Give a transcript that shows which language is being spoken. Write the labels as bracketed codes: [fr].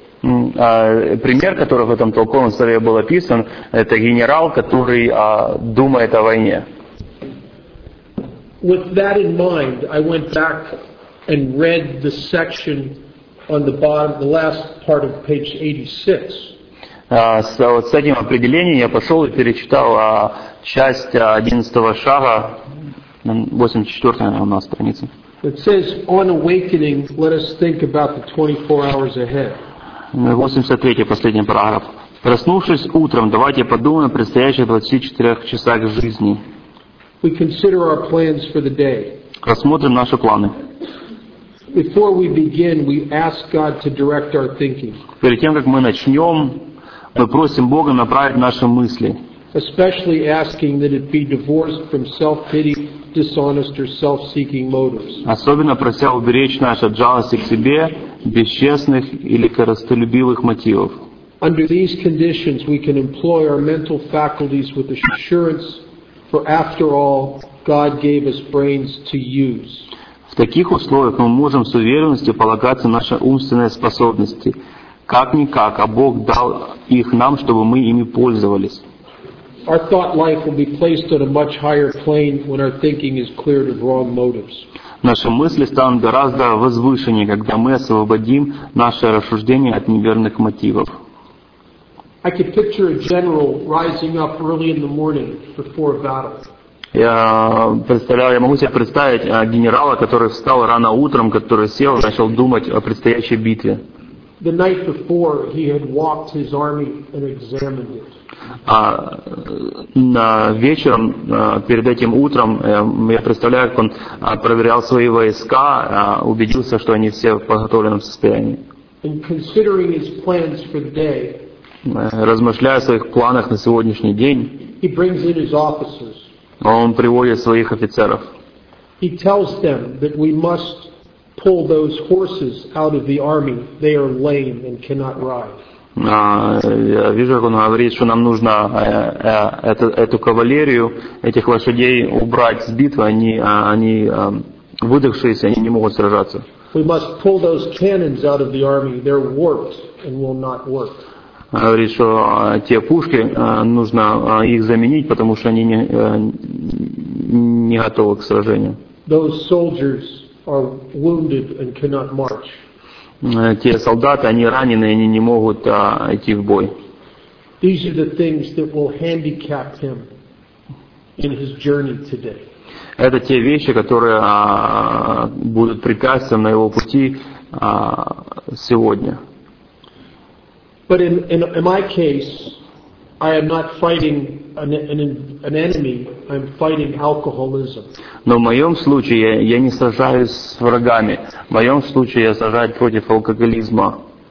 [ru] Пример, который в этом толковом слове был описан, это генерал, который думает о войне. [en] With that in mind, I went back and read the section on the bottom, the last part of page 86. [ru] С этим определением я пошел и перечитал часть 11-го шага, 84-я у нас страница. [en] It says, on awakening, let us think about the 24 hours ahead. [ru] 83-й, последний параграф. Проснувшись утром, давайте подумаем о предстоящих 24 часах жизни. [en] We consider our plans for the day. [ru] Рассмотрим наши планы. [en] Before we begin, we ask God to direct our thinking. [ru] Перед тем, как мы начнем, мы просим Бога направить наши мысли. [en] Especially asking that it be divorced from self-pity, dishonest or self-seeking motives. [ru] Особенно прося уберечь нас от жалости к себе, бесчестных или корыстолюбивых мотивов. [en] Under these conditions, we can employ our mental faculties with assurance, for after all, God gave us brains to use. [ru] В таких условиях мы можем с уверенностью полагаться на наши умственные способности. Как-никак, а Бог дал их нам, чтобы мы ими пользовались. [en] Our thought life will be placed on a much higher plane when our thinking is cleared of wrong motives. [ru] Наши мысли станут гораздо возвышеннее, когда мы освободим наше рассуждение от неверных мотивов. [en] I could picture a general rising up early in the morning before battle. [ru] Я могу себе представить генерала, который встал рано утром, который сел и начал думать о предстоящей битве. [en] The night before he had walked his army and examined it. [ru] Вечером, перед этим утром, я представляю, как он проверял свои войска, убедился, что они все в подготовленном состоянии. [en] And considering his plans for the day, [ru] размышляя о своих планах на сегодняшний день, [en] he brings in his officers. [ru] Он приводит своих офицеров. [en] He tells them that we must pull those horses out of the army. They are lame and cannot ride. [ru] Я вижу, как он говорит, что нам нужно эту кавалерию, этих лошадей убрать с битвы. Они выдохшиеся, они не могут сражаться. [en] We must pull those cannons out of the army. They're warped and will not work. [ru] Говорит, что те пушки, нужно их заменить, потому что они не готовы к сражению. [en] Those soldiers are wounded and cannot march. [ru] Те солдаты, они ранены, они не могут идти в бой. [en] These are the things that will handicap him in his journey today. [ru] Это те вещи, которые будут препятствием на его пути сегодня. [en] But in my case, I am not fighting an enemy. I'm fighting alcoholism. [ru] Но в моем случае я не сражаюсь с врагами. В моем случае я сражаюсь против алкоголизма.